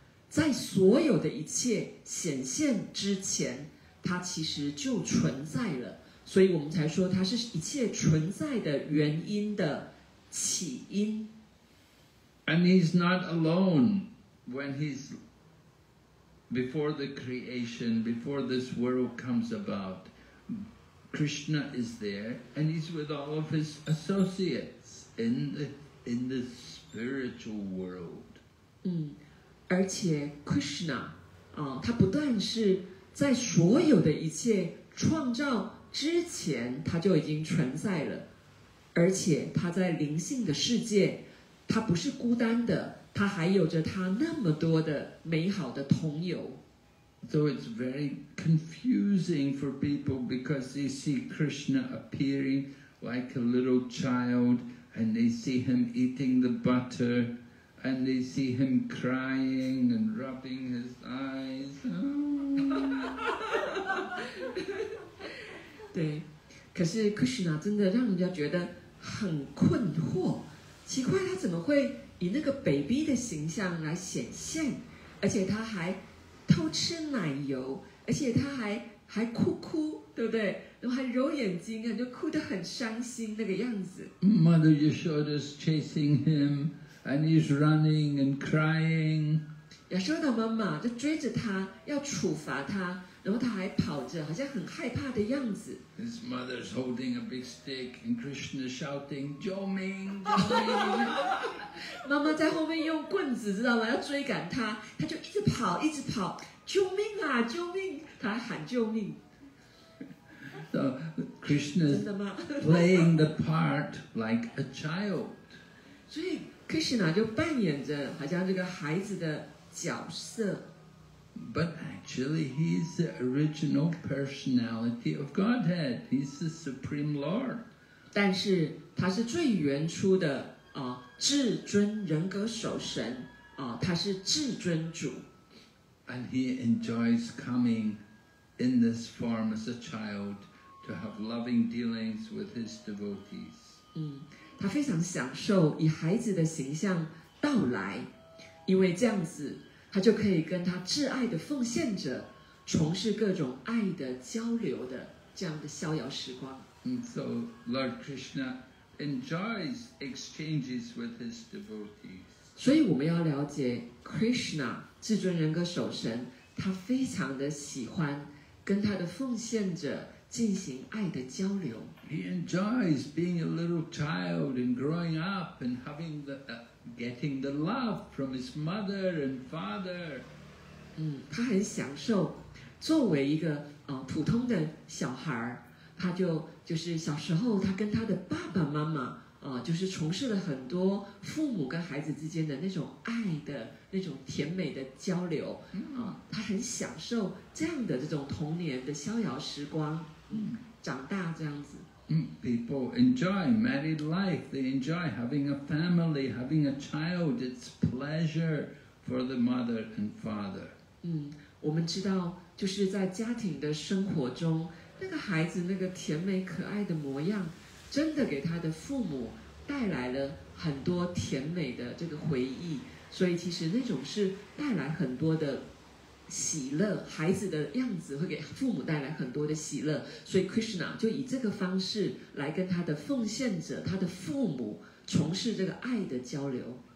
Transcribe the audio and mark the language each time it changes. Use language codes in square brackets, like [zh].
[zh] 在所有的一切显现之前，它其实就存在了，所以我们才说它是一切存在的原因的起因。 [en] And he's not alone when he's before the creation, before this world comes about. Krishna is there, and he's with all of his associates in the spiritual world. [zh] 而且 Krishna, 他不但是在所有的一切创造之前他就已经存在了，而且他在灵性的世界他不是孤单的，他还有着他那么多的美好的同友。 [en] So it's very confusing for people because they see Krishna appearing like a little child and they see him eating the butter. And they see him crying and rubbing his eyes.、 Oh. [zh] 对，可是 Krishna 真的让人家觉得很困惑，奇怪他怎么会以那个 baby 的形象来显现，而且他还偷吃奶油，而且他还哭，对不对？然后还揉眼睛，就哭得很伤心那个样子。 [en] Mother Yashoda is chasing him. And he's running and crying. [zh] Yashoda 妈妈就追着他，要处罚他，然后他还跑着，好像很害怕的样子。 [en] His mother's holding a big stick, and Krishna shouting, "Jai Ming, Jai Ming!" [zh] 妈妈在后面用棍子，知道吗？要追赶他，他就一直跑，一直跑，救命啊，救命！他还喊救命。 [en] So Krishna is playing the part like a child. [zh] 所以。Krishna 就扮演着好像这个孩子的角色。 [en] But actually, he's the original personality of Godhead. He's the Supreme Lord. [zh] 但是他是最原初的至尊人格首神他是至尊主。 [en] And he enjoys coming in this form as a child to have loving dealings with his devotees. [zh] 他非常享受以孩子的形象到来，因为这样子他就可以跟他挚爱的奉献者从事各种爱的交流的这样的逍遥时光。 [en] So Lord Krishna enjoys exchanges with his devotees. [zh] 所以我们要了解 Krishna 至尊人格首神，他非常的喜欢跟他的奉献者进行爱的交流。 [en] He enjoys being a little child and growing up and having the,getting the love from his mother and father. [zh] 他很享受作为一个普通的小孩他就是小时候他跟他的爸爸妈妈就是从事了很多父母跟孩子之间的那种爱的那种甜美的交流他很享受这样的这种童年的逍遥时光长大这样子。 [en] People enjoy married life. They enjoy having a family, having a child. It's pleasure for the mother and father. [zh] 我们知道就是在家庭的生活中那个孩子那个甜美可爱的模样真的给他的父母带来了很多甜美的这个回忆所以其实那种是带来很多的喜乐孩子的样子会给父母带来很多的喜乐所以 Krishna 就以这个方式来跟他的奉献者他的父母从事这个爱的交流